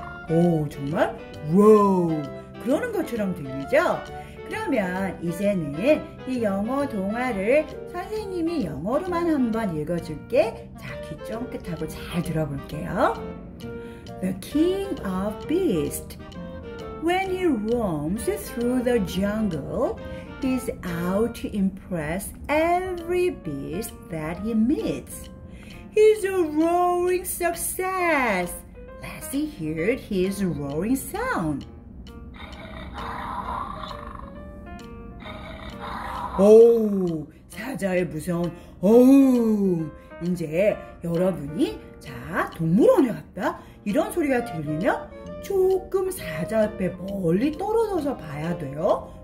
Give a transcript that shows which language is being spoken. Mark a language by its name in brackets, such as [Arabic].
[Korean] 오, 정말 워 그러는 것처럼 들리죠? 그러면 이제는 이 영어 동화를 선생님이 영어로만 한번 읽어줄게. 자, 귀 쫑긋하고 잘 들어볼게요. [English] The King of Beasts. When he roams through the jungle, he's out to impress every beast that he meets. He's a roaring success. Lassie heard his roaring sound. [Korean] 어우, 사자의 무서운 어웅. 이제 여러분이 자 동물원에 갔다 이런 소리가 들리면 조금 사자 앞에 멀리 떨어져서 봐야 돼요.